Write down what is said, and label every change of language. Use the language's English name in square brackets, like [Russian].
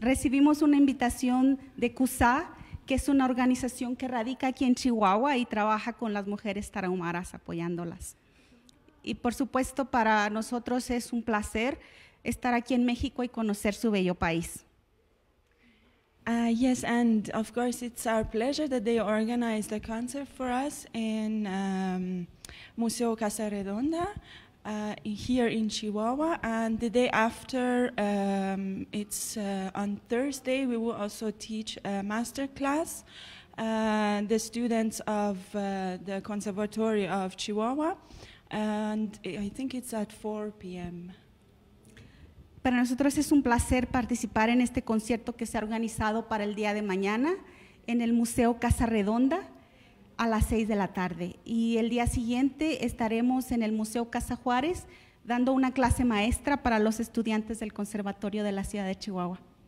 [Spanish] Recibimos una invitación de CUSA, que es una organización que radica aquí en Chihuahua y trabaja con las mujeres tarahumaras apoyándolas. Y por supuesto, para nosotros es un placer estar aquí en México y conocer su bello país. [English] Yes, and of course it's our pleasure that they organized a concert for us in Museo Casa Redonda here in Chihuahua. And the day after, it's on Thursday, we will also teach a master class. The students of the Conservatory of Chihuahua, and I think it's at 4 p.m. [Spanish] Para nosotros es un placer participar en este concierto que se ha organizado para el día de mañana en el Museo Casa Redonda a las 6 de la tarde. Y el día siguiente estaremos en el Museo Casa Juárez dando una clase maestra para los estudiantes del Conservatorio de la Ciudad de Chihuahua.